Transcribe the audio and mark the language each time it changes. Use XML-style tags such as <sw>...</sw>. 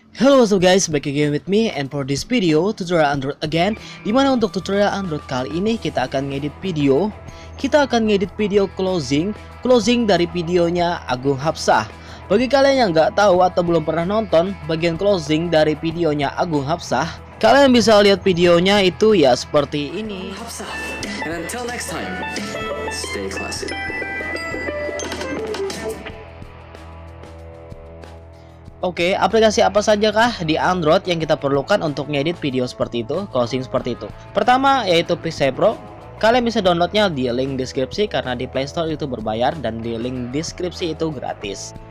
<en>Hello, what's up guys, back again with me, and for this video, tutorial Android again.</en> <id>Dimana untuk tutorial Android kali ini kita akan ngedit video. Kita akan ngedit video closing dari videonya Agung Hapsah. Bagi kalian yang gak tahu atau belum pernah nonton bagian closing dari videonya Agung Hapsah, kalian bisa lihat videonya itu ya seperti ini.</id> <en>And until next time, stay classy.</en> <id>Oke, aplikasi apa saja kah di Android yang kita perlukan untuk ngedit video seperti itu, closing seperti itu? Pertama, yaitu Pixel Pro. Kalian bisa downloadnya di link deskripsi karena di Play Store itu berbayar dan di link deskripsi itu gratis.</id>